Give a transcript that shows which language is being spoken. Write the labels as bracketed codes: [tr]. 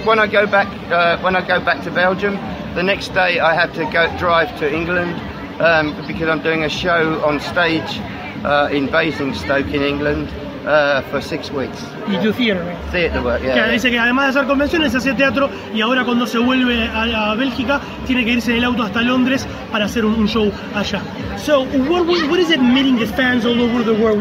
[en] When I go back to Belgium, the next day I have to go drive to England because I'm doing a show on stage in Basingstoke in England. For 6 weeks. You do theater, right? Theater work, yeah. [es] Que dice que además de hacer convenciones hace teatro y ahora cuando se vuelve a Bélgica tiene que irse en el auto hasta Londres para hacer un show allá. [en] So what is it meeting the fans all over the world?